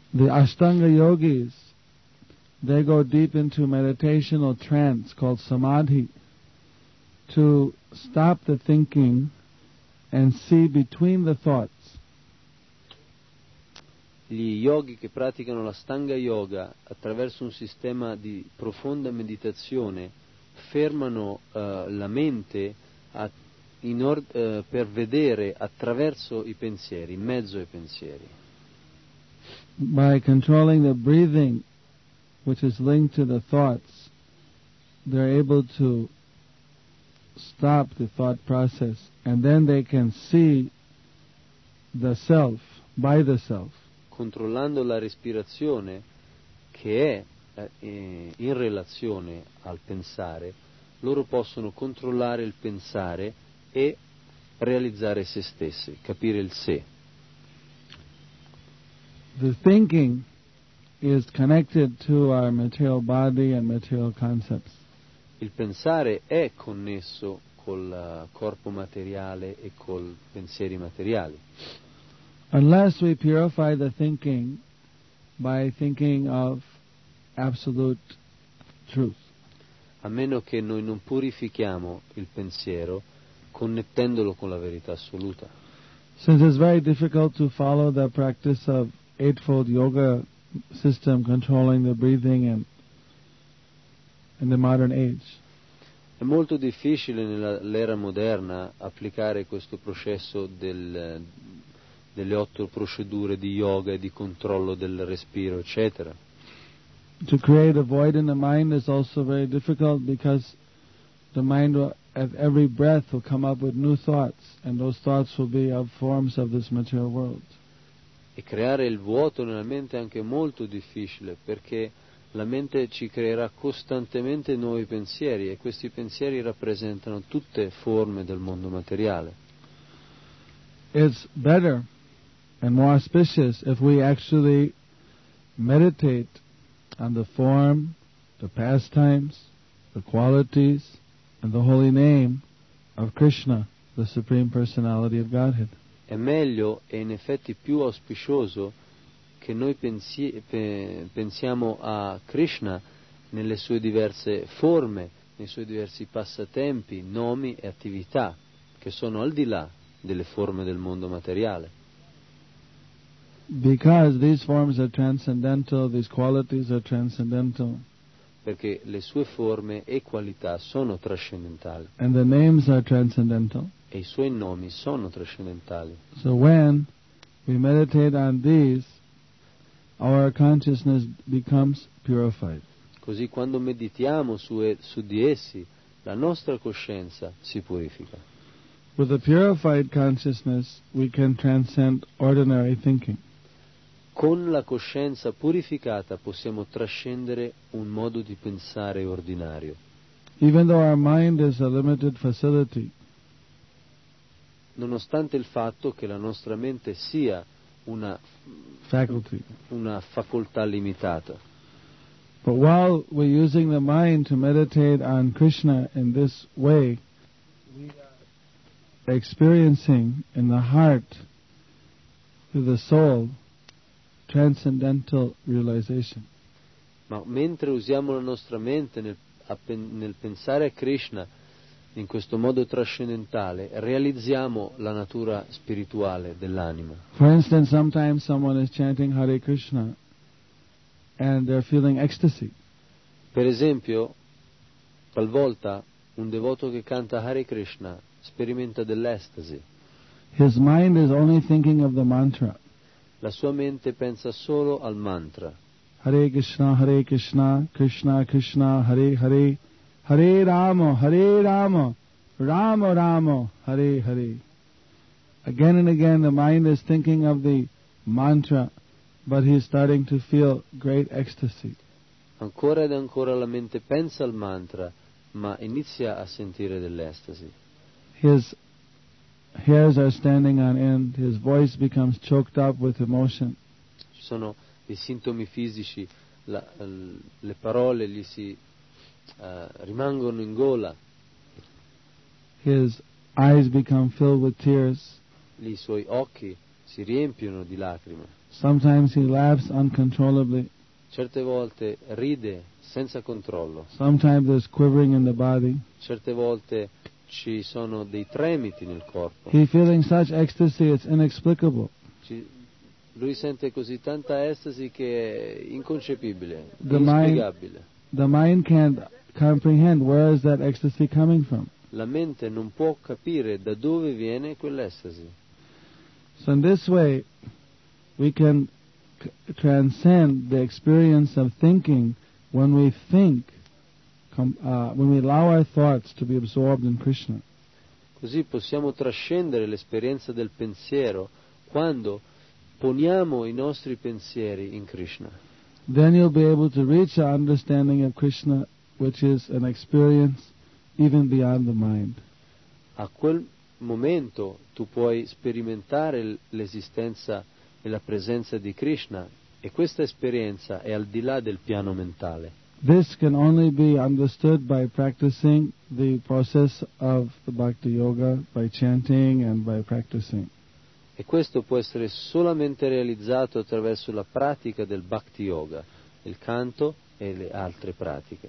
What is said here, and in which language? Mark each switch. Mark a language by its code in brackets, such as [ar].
[en] The Ashtanga yogis, they go deep into meditation or trance called samadhi to stop the thinking and see between the thoughts. [it] Gli yogi che praticano la Stanga Yoga attraverso un sistema di profonda meditazione fermano la mente per vedere attraverso i pensieri, in mezzo ai pensieri. [en] By controlling the breathing, which is linked to the thoughts, they're able to stop the thought process and then they can see the self by the self. [it] Controllando la respirazione, che è in relazione al pensare, loro possono controllare il pensare e realizzare se stessi, capire il sé. [en] The thinking is connected to our material body and material concepts. [it] Il pensare è connesso col corpo materiale e col pensieri materiali. [en] Unless we purify the thinking by thinking of absolute truth. [it] A meno che noi non purifichiamo il pensiero connettendolo con la verità assoluta. [en] Since it's very difficult to follow the practice of Eightfold Yoga system controlling the breathing and in the modern age. [it] È molto difficile nell'era moderna applicare questo processo delle otto procedure di yoga e di controllo del respiro, eccetera. [en] To create a void in the mind is also very difficult because the mind at every breath will come up with new thoughts and those thoughts will be of forms of this material world. [it] E creare il vuoto nella mente è anche molto difficile perché la mente ci creerà costantemente nuovi pensieri e questi pensieri rappresentano tutte forme del mondo materiale. [en] It's better and more auspicious if we actually meditate on the form, the pastimes, the qualities, and the holy name of Krishna, the Supreme Personality of Godhead. [it] è meglio e in effetti più auspicioso che noi pensiamo a Krishna nelle sue diverse forme, nei suoi diversi passatempi, nomi e attività, che sono al di là delle forme del mondo materiale. [en] Because these forms are transcendental, these qualities are transcendental. [it] Perché le sue forme e qualità sono trascendentali. [en] And the names are transcendental. [it] E i suoi nomi sono trascendentali. [en] So when we meditate on these, our consciousness becomes purified. [it] Così quando meditiamo su di essi, la nostra coscienza si purifica. [en] With a purified consciousness, we can transcend ordinary thinking. [it] Con la coscienza purificata possiamo trascendere un modo di pensare ordinario. [en] Even though our mind is a limited facility, [it] nonostante il fatto che la nostra mente sia una facoltà limitata. [en] But while we're using the mind to meditate on Krishna in this way, we are experiencing in the heart, through the soul, transcendental realization. [it] Ma mentre usiamo la nostra mente nel pensare a Krishna in questo modo trascendentale, realizziamo la natura spirituale dell'anima. [en] For instance, sometimes someone is chanting Hare Krishna and they're feeling ecstasy. [it] Per esempio, talvolta un devoto che canta Hare Krishna sperimenta dell'estasi. [en] His mind is only thinking of the mantra. [it] La sua mente pensa solo al mantra. [sa] Hare Krishna, Krishna Krishna, Hare Hare, Hare Rama, Hare Rama, Rama Rama, Hare Hare. [en] Again and again the mind is thinking of the mantra, but he is starting to feel great ecstasy. [it] Ancora ed ancora la mente pensa al mantra, ma inizia a sentire dell'estasi. [en] His hairs are standing on end, his voice becomes choked up with emotion. [it] Ci sono i sintomi fisici, le parole gli si rimangono in gola. [en] His eyes become filled with tears. [it] I suoi occhi si riempiono di lacrime. [en] Sometimes he laughs uncontrollably. [it] Certe volte ride senza controllo. [en] Sometimes there's quivering in the body. [it] Certe volte ci sono dei tremiti nel corpo. [en] He feeling such ecstasy, it's inexplicable. [it] Lui sente così tanta estasi che è inconcepibile, inspiegabile. [en] The mind can't comprehend where is that ecstasy coming from. [it] La mente non può capire da dove viene quell'estasi. [en] So in this way we can transcend the experience of thinking when we think, when we allow our thoughts to be absorbed in Krishna. [it] Così possiamo trascendere l'esperienza del pensiero quando poniamo i nostri pensieri in Krishna. [en] Then you'll be able to reach an understanding of Krishna which is an experience even beyond the mind. [it] A quel momento tu puoi sperimentare l'esistenza e la presenza di Krishna, e questa esperienza è al di là del piano mentale. [en] This can only be understood by practicing the process of the Bhakti Yoga, by chanting and by practicing. [it] E questo può essere solamente realizzato attraverso la pratica del Bhakti Yoga, il canto e le altre pratiche.